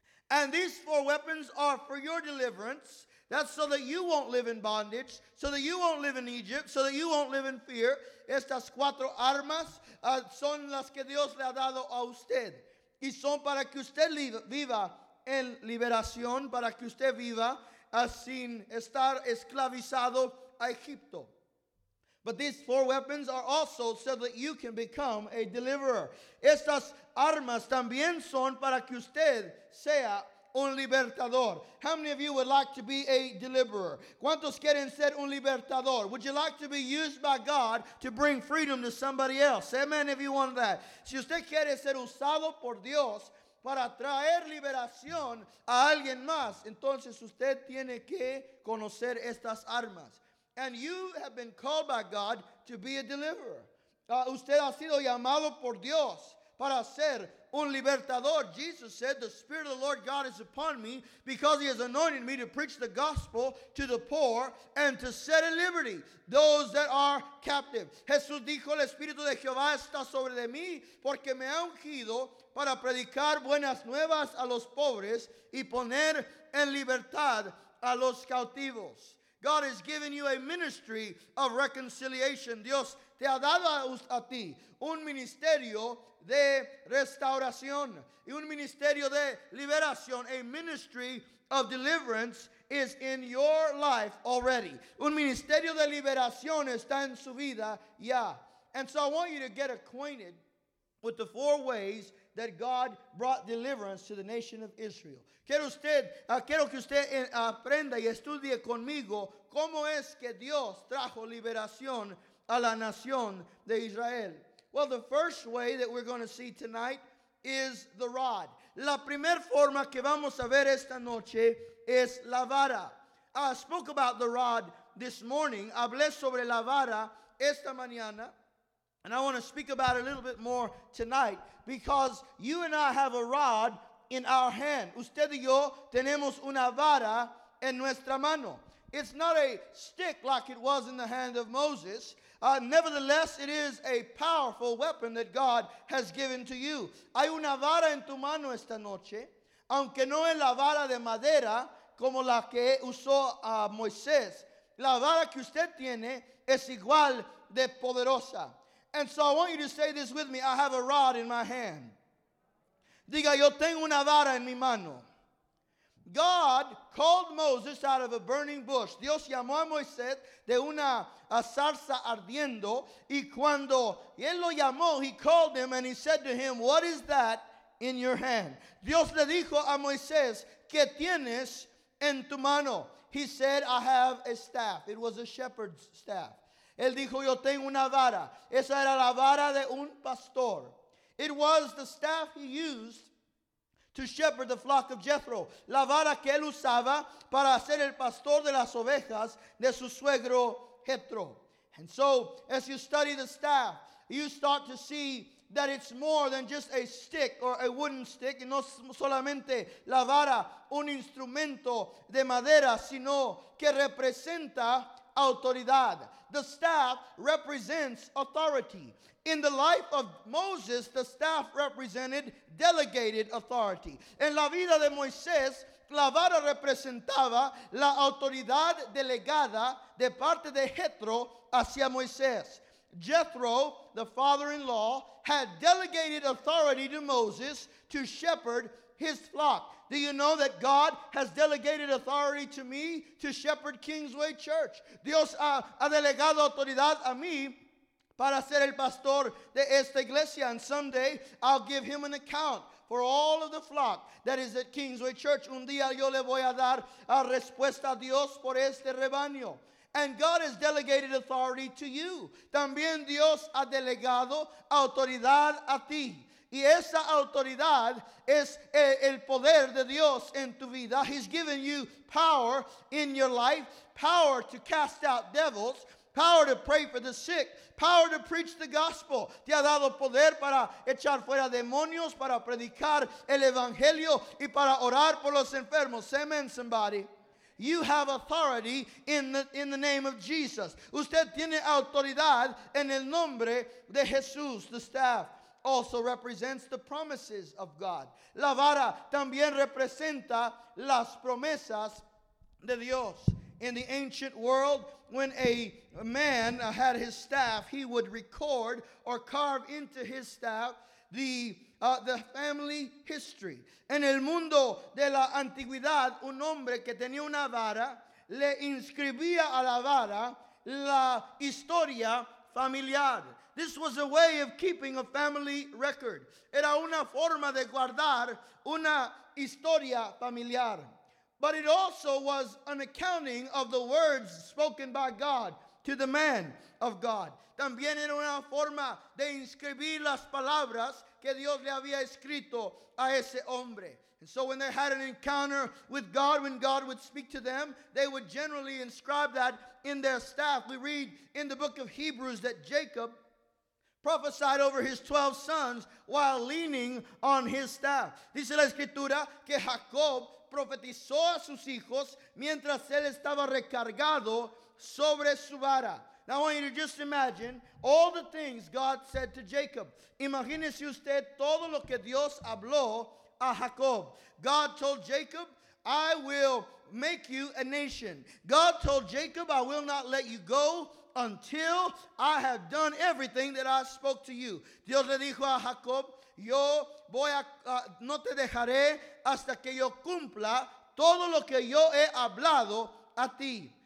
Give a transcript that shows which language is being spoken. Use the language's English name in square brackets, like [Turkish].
[English] And these four weapons are for your deliverance. That's so that you won't live in bondage, so that you won't live in Egypt, so that you won't live in fear. [Spanish] Estas cuatro armas son las que Dios le ha dado a usted. Y son para que usted viva en liberación, para que usted viva sin estar esclavizado a Egipto. [English] But these four weapons are also so that you can become a deliverer. [Spanish] Estas armas también son para que usted sea un libertador. [English] How many of you would like to be a deliverer? [Spanish] ¿Cuántos quieren ser un libertador? [English] Would you like to be used by God to bring freedom to somebody else? Amen, if you want that. [Spanish] Si usted quiere ser usado por Dios para traer liberación a alguien más, entonces usted tiene que conocer estas armas. [English] And you have been called by God to be a deliverer. [Spanish] Usted ha sido llamado por Dios para ser un libertador. [English] Jesus said, "The Spirit of the Lord God is upon me, because he has anointed me to preach the gospel to the poor and to set at liberty those that are captive." [Spanish] Jesús dijo, "El Espíritu de Jehová está sobre de mí, porque me ha ungido para predicar buenas nuevas a los pobres y poner en libertad a los cautivos." [English] God has given you a ministry of reconciliation. [Spanish] Dios te ha dado a ti un ministerio de restauración y un ministerio de liberación. [English] A ministry of deliverance is in your life already. [Spanish] Un ministerio de liberación está en su vida ya. [English] And so I want you to get acquainted with the four ways that God brought deliverance to the nation of Israel. [Spanish] Quiero que usted aprenda y estudie conmigo cómo es que Dios trajo liberación a la nación de Israel. [English] Well, the first way that we're going to see tonight is the rod. [Spanish] La primera forma que vamos a ver esta noche es la vara. [English] I spoke about the rod this morning. [Spanish] Hablé sobre la vara esta mañana. [English] And I want to speak about it a little bit more tonight, because you and I have a rod in our hand. [Spanish] Usted y yo tenemos una vara en nuestra mano. [English] It's not a stick like it was in the hand of Moses. Nevertheless, it is a powerful weapon that God has given to you. [Spanish] Hay una vara en tu mano esta noche, aunque no es la vara de madera como la que usó Moisés. La vara que usted tiene es igual de poderosa. [English] And so I want you to say this with me. I have a rod in my hand. [Spanish] Diga, yo tengo una vara en mi mano. [English] God called Moses out of a burning bush. [Spanish] Dios llamó a Moisés de una zarza ardiendo. Y cuando él lo llamó, [English] he called him and he said to him, "What is that in your hand?" [Spanish] Dios le dijo a Moisés, "¿Qué tienes en tu mano?" [English] He said, "I have a staff." It was a shepherd's staff. [Spanish] Él dijo, yo tengo una vara. Esa era la vara de un pastor. [English] It was the staff he used to shepherd the flock of Jethro. [Spanish] La vara que él usaba para ser el pastor de las ovejas de su suegro Jethro. [English] And so, as you study the staff, you start to see that it's more than just a stick or a wooden stick. [Spanish] Y no solamente la vara, un instrumento de madera, sino que representa autoridad. [English] The staff represents authority. In the life of Moses, the staff represented delegated authority. [Spanish] En la vida de Moisés, la vara representaba la autoridad delegada de parte de Jethro hacia Moisés. [English] Jethro, the father-in-law, had delegated authority to Moses to shepherd his flock. Do you know that God has delegated authority to me to shepherd Kingsway Church? [Spanish] Dios ha delegado autoridad a mí para ser el pastor de esta iglesia. [English] And someday I'll give him an account for all of the flock that is at Kingsway Church. [Spanish] Un día yo le voy a dar a respuesta a Dios por este rebaño. [English] And God has delegated authority to you. [Spanish] También Dios ha delegado autoridad a ti. Y esa autoridad es el poder de Dios en tu vida. [English] He's given you power in your life, power to cast out devils, power to pray for the sick, power to preach the gospel. [Spanish] Te ha dado poder para echar fuera demonios, para predicar el evangelio y para orar por los enfermos. [English] Amen, somebody. You have authority in the name of Jesus. [Spanish] Usted tiene autoridad en el nombre de Jesús. [English] The staff also represents the promises of God. [Spanish] La vara también representa las promesas de Dios. [English] In the ancient world, when a man had his staff, he would record or carve into his staff the family history. [Spanish] En el mundo de la antigüedad, un hombre que tenía una vara le inscribía a la vara la historia familiar. [English] This was a way of keeping a family record. [Spanish] Era una forma de guardar una historia familiar. [English] But it also was an accounting of the words spoken by God to the man of God. [Spanish] También era una forma de inscribir las palabras que Dios le había escrito a ese hombre. [English] And so when they had an encounter with God, when God would speak to them, they would generally inscribe that in their staff. We read in the book of Hebrews that Jacob prophesied over his 12 sons while leaning on his staff. [Spanish] Dice la escritura que Jacob profetizó a sus hijos mientras él estaba recargado sobre su vara. [English] Now I want you to just imagine all the things God said to Jacob. [Spanish] Imagínese usted todo lo que Dios habló a Jacob. [English] God told Jacob, I will make you a nation. God told Jacob, I will not let you go until I have done everything that I spoke to you. [Spanish] Dios le dijo a Jacob, yo voy a, no te dejaré hasta que yo cumpla todo lo que yo he hablado a ti.